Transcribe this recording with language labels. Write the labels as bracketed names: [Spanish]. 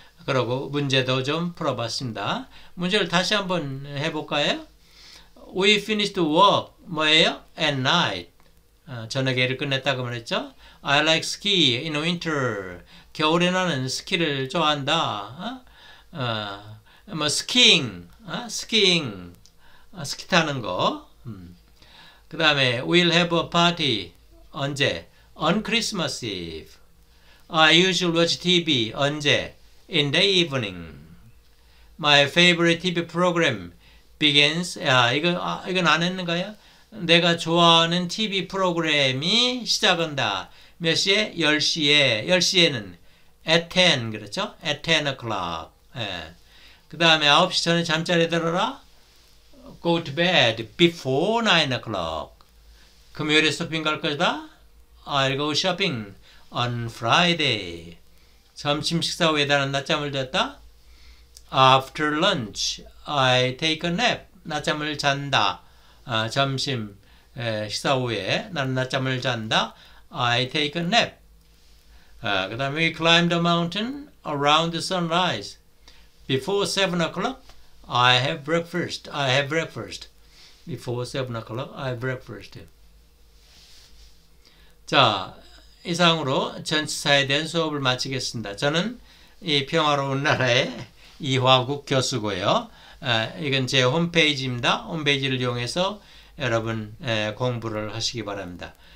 [Korean] 그리고 문제도 좀 풀어봤습니다. 문제를 다시 한번 해볼까요? [English] We finished work [Korean] 뭐예요? [English] At night. [Korean] 저녁에 일을 끝냈다고 말했죠. [English] I like ski in winter. [Korean] 겨울에 나는 스키를 좋아한다. 뭐 스키잉, 스키 타는 거. 그 다음에 [English] we'll have a party [Korean] 언제? [English] On Christmas Eve. I usually watch TV [Korean] 언제? [English] In the evening. My favorite TV program begins. [Korean] 이건 안 했는가요? 내가 좋아하는 TV 프로그램이 시작한다. 몇 시에? 10시에. 10시에는 [English] at 10, [Korean] 그렇죠? [English] At 10 o'clock. 예. [Korean] 그 다음에 9시 전에 잠자리에 들어라. [English] Go to bed before 9 o'clock. [Korean] 금요일에 쇼핑 갈 거다. [English] I'll go shopping on Friday. [Korean] 점심 식사 후에 나는 낮잠을 잤다. [English] After lunch, I take a nap. [Korean] 낮잠을 잔다. 점심 식사 후에 나는 낮잠을 잔다. [English] I take a nap. [Korean] 그 다음에 [English] we climb the mountain around the sunrise. Before 7 o'clock, I have breakfast. I have breakfast. Before 7 o'clock, I have breakfast. [Korean] 자, 이상으로 전치사에 대한 수업을 마치겠습니다. 저는 이 평화로운 나라의 이화국 교수고요. 이건 제 홈페이지입니다. 홈페이지를 이용해서 여러분 공부를 하시기 바랍니다.